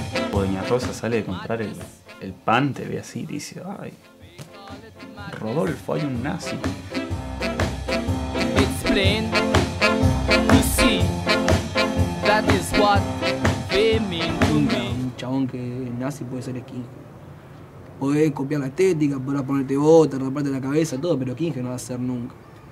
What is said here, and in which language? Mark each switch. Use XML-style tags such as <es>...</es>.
<es>Doña Rosa sale de comprar el pan, te ve así y dice: ay, Rodolfo, hay un nazi.</es> <en>It's plain to see that is what they mean to me.</en> <es>Un chabón que es nazi puede ser skinhead. Podés copiar la estética, podrás ponerte bota, raparte la cabeza, todo, pero skinhead no va a ser nunca.</es>